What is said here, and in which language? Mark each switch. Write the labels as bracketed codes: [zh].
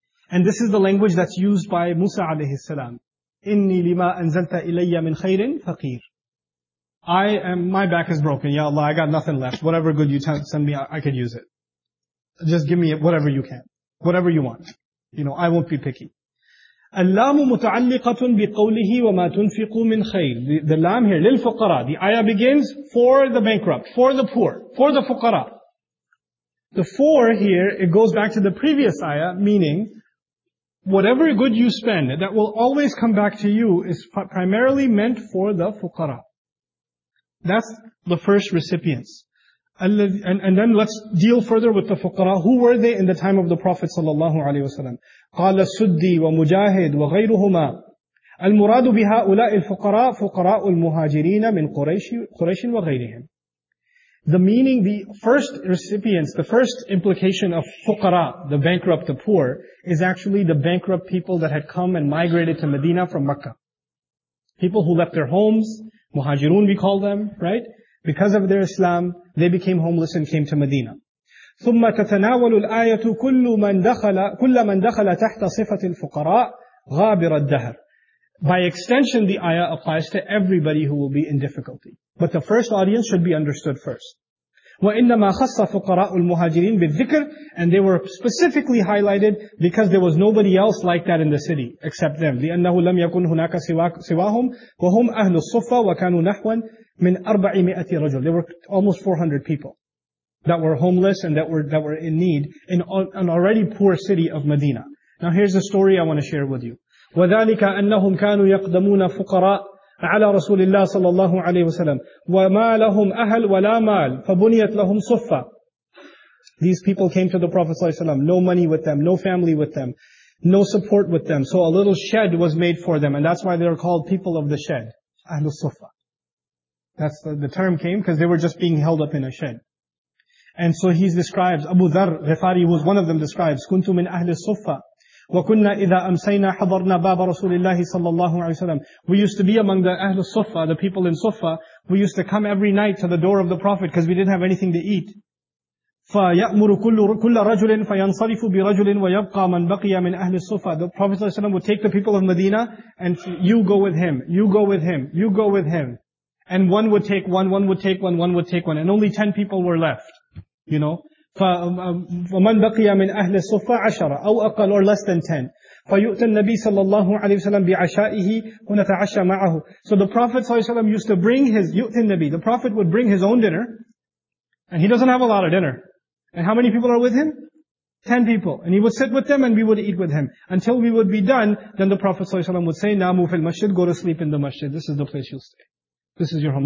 [en] And this is the language that's used by Musa alayhi salam. [ar] إِنِّي لِمَا أَنزَلْتَ إِلَيَّ مِنْ خَيْرٍ فَقِيرٍ. [en] I am, my back is broken. Ya Allah, I got nothing left. Whatever good you send me, I could use it. Just give me whatever you can. Whatever you want. You know, I won't be picky. [ar] اللام متعلقة بقوله وما تنفقوا من خير. [en] The lam here, للفقراء. The ayah begins, for the bankrupt, for the poor, for the fuqara. The for here, it goes back to the previous ayah, meaning, whatever good you spend, that will always come back to you, is primarily meant for the fuqara. That's the first recipients. And then let's deal further with the fuqara. Who were they in the time of the Prophet sallallahu alaihi wasallam? [ar] قال السدي ومجاهد وغيرهما المراد بهؤلاء الفقراء فقراء المهاجرين من قريش وغيرهم. [en] The meaning, the first recipients, the first implication of fuqara, the bankrupt, the poor, is actually the bankrupt people that had come and migrated to Medina from Mecca. People who left their homes, muhajirun we call them, right? Because of their Islam, they became homeless and came to Medina. [ar] ثم تتناول الآية كل من دخل تحت صفة الفقراء غابر الدهر. [en] By extension, the ayah applies to everybody who will be in difficulty. But the first audience should be understood first. [ar] وإنما خص فقراء المهاجرين بالذكر. [en] And they were specifically highlighted because there was nobody else like that in the city except them. [ar] لأنه لم يكن هناك سواهم وهم أهل الصفة وكانوا نحو من 400 رجل. [en] They were almost 400 people that were homeless and that were in need in an already poor city of Medina. Now here's a story I want to share with you. [ar] وَذَلِكَ أَنَّهُمْ كَانُوا يَقْدَمُونَ فُقَرَاءَ عَلَى رَسُولِ اللَّهِ صَلَى اللَّهُ عَلَيْهِ وَسَلَمْ وَمَا لَهُمْ أَهَلْ وَلَا مَالْ فَبُنِيَتْ لَهُمْ صُفَّةً. [en] These people came to the Prophet ﷺ, no money with them, no family with them, no support with them. So a little shed was made for them, and that's why they are called people of the shed. [ar] أَهْلُ الصُّفَّةِ. [en] That's the term came because they were just being held up in a shed. And so he describes, Abu Dharr Ghifari, who was one of them, describes, [ar] كنت من أهل الصفة وكنا إذا أمسينا حضرنا باب رسول الله صلى الله عليه وسلم. [en] We used to be among the أهل الصفة, the people in Sufa. We used to come every night to the door of the Prophet because we didn't have anything to eat. [ar] فيأمر كل رجل فينصرف برجل ويبقى من بقي من أهل الصفة. [en] The Prophet صلى الله عليه وسلم would take the people of Medina and you go with him, you go with him, you go with him. And one would take one, one would take one, one would take one. And only 10 people were left. You know, [ar] فَمَنْ بَقِيَ مِنْ أَهْلِ الصُّفَّةِ عَشَرَ أَوْ أَقَلْ [en] or less than 10. [ar] فَيُؤْتَ النَّبِي صلى الله عليه وسلم بِعَشَائِهِ وَنَتَعَشَى مَعَهُ. [en] So the Prophet ﷺ used to bring his, [ar] يُؤْتَ النَّبِي, [en] the Prophet would bring his own dinner, and he doesn't have a lot of dinner. And how many people are with him? 10 people. And he would sit with them and we would eat with him. Until we would be done, then the Prophet ﷺ would say, [ar] نَامُ فِي الْمَسْجِدِ, [en] go to sleep in the masjid. This is the place you'll stay. This is your home.